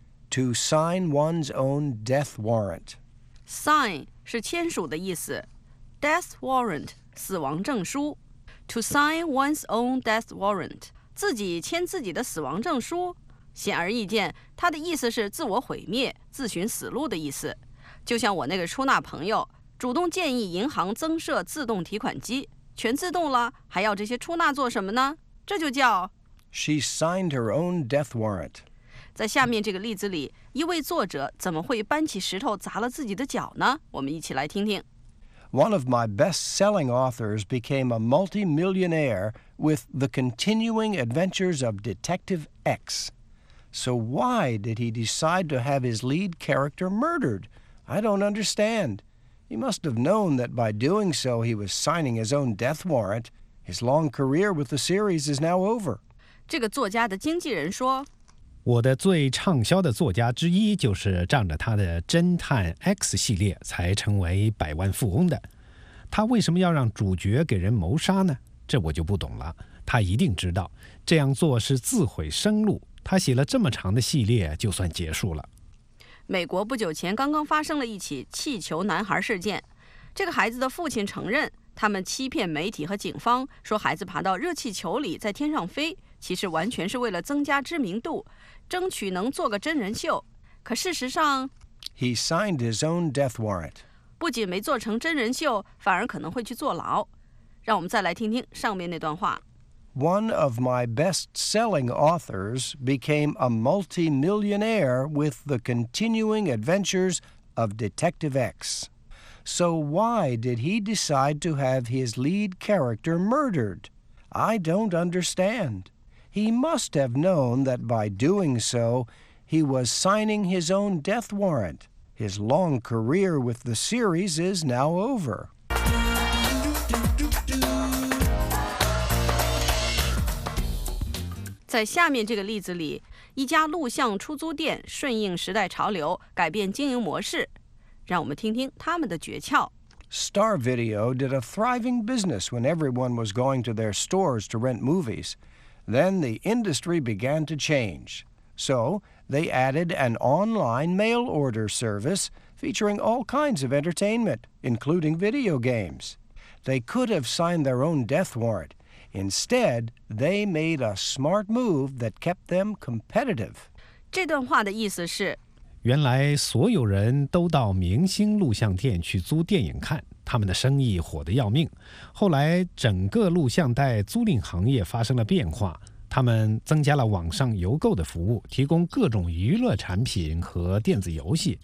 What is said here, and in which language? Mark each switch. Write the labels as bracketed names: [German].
[English] To sign one's own death warrant. [Chinese] Sign 是签署的意思。Death warrant, 死亡证书。 To sign one's own death warrant, 自己签自己的死亡证书。显而易见，它的意思是自我毁灭，自寻死路的意思。就像我那个出纳朋友主动建议银行增设自动提款机，全自动了，还要这些出纳做什么呢？这就叫 [English] She signed her own death warrant. [Chinese] 在下面这个例子里，一位作者怎么会搬起石头砸了自己的脚呢？我们一起来听听。 [English] One of my best-selling authors became a multi-millionaire with The Continuing Adventures of Detective X. So why did he decide to have his lead character murdered? I don't understand. He must have known that by doing so he was signing his own death warrant. His long career with the series is now over. [Chinese] 这个作家的经纪人说，我的最畅销的作家之一就是仗着他的侦探 X 系列才成为百万富翁的。他为什么要让主角给人谋杀呢？这我就不懂了。他一定知道这样做是自毁生路。他写了这么长的系列就算结束了。美国不久前刚刚发生了一起气球男孩事件。这个孩子的父亲承认他们欺骗媒体和警方，说孩子爬到热气球里在天上飞，其实完全是为了增加知名度，争取能做个真人秀。可事实上 [English] He signed his own death warrant. [Chinese] 不仅没做成真人秀，反而可能会去坐牢。让我们再来听听上面那段话。 [English] One of my best-selling authors became a multi-millionaire with the continuing adventures of Detective X. So why did he decide to have his lead character murdered? I don't understand. He must have known that by doing so, he was signing his own death warrant. His long career with the series is now over. [Chinese] 在下面这个例子里，一家录像出租店顺应时代潮流，改变经营模式。让我们听听他们的诀窍。 [English] Star Video did a thriving business when everyone was going to their stores to rent movies. Then the industry began to change. So they added an online mail order service featuring all kinds of entertainment, including video games. They could have signed their own death warrant. Instead, they made a smart move that kept them competitive. [Chinese] 这段话的意思是，原来所有人都到明星录像店去租电影看，他们的生意火得要命。后来整个录像带租赁行业发生了变化，他们增加了网上邮购的服务，提供各种娱乐产品和电子游戏。